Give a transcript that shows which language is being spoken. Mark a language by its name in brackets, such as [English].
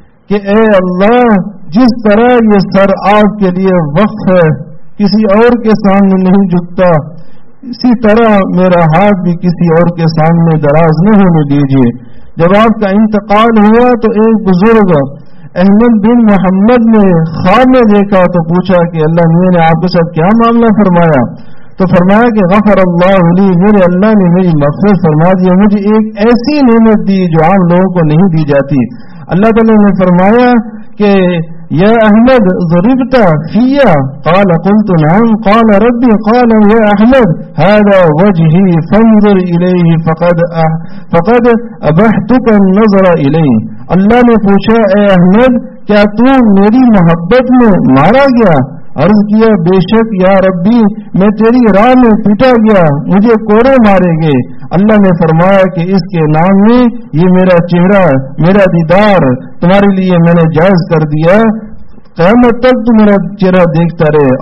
[Urdu] کہ اے اللہ جس طرح یہ سر آپ کے لیے وقف ہے، کسی اور کے سامنے نہیں جھکتا، اسی طرح میرا ہاتھ بھی کسی اور کے سامنے دراز نہ ہونے دیجیے۔ جب آپ کا انتقال ہوا تو ایک بزرگ احمد بن محمد نے خواب میں دیکھا تو پوچھا کہ اللہ میں نے آپ کے ساتھ کیا معاملہ فرمایا، تو فرمایا کہ [Arabic] غفر اللہ لی، [Urdu] میرے اللہ نے میری مغفرت فرما دی، مجھے ایک ایسی نعمت دی جو عام لوگوں کو نہیں دی جاتی۔ اللہ تعالیٰ نے فرمایا کہ [Arabic] يا احمد ضربت فيا؟ قال قلت نعم. قال ربي. قال يا احمد هذا وجهي فانظر اليه فقد ابحتك النظر اليه. [Urdu] اللہ نے پوچھا اے احمد کیا تو میری محبت میں مارا گیا؟ عرض کیا بے شک یا ربی میں تیری راہ میں پیٹا گیا، مجھے کوڑے مارے گئے. اللہ نے فرمایا کہ اس کے نام میں یہ میرا چہرہ میرا دیدار تمہارے لیے میں نے جائز کر دیا، قیامت تک تو میرا چہرہ دیکھتا رہے.